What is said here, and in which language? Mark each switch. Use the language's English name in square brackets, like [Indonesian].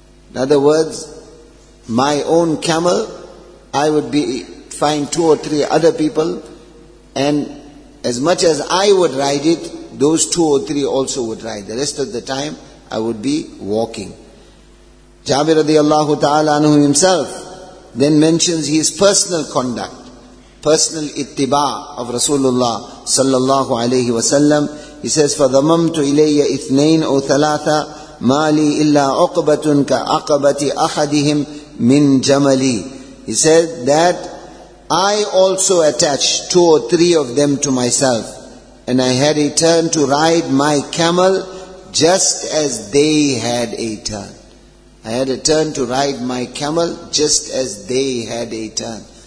[English] In other words, my own camel, I would be find two or three other people, and as much as I would ride it, those two or three also would ride. The rest of the time, I would be walking. Jabir radiallahu ta'ala anhu himself then mentions his personal conduct, personal ittiba of Rasulullah sallallahu alayhi wa sallam. He says, [Arabic] فَضَمَمْتُ إِلَيَّ اثنين أو ثلاثة مَا لِي إِلَّا عُقْبَةٌ كَعَقَبَةِ أَحَدِهِمْ مِنْ جَمَلِي. [English] He said that I also attached two or three of them to myself, and I had a turn to ride my camel just as they had a turn. I had a turn to ride my camel just as they had a turn.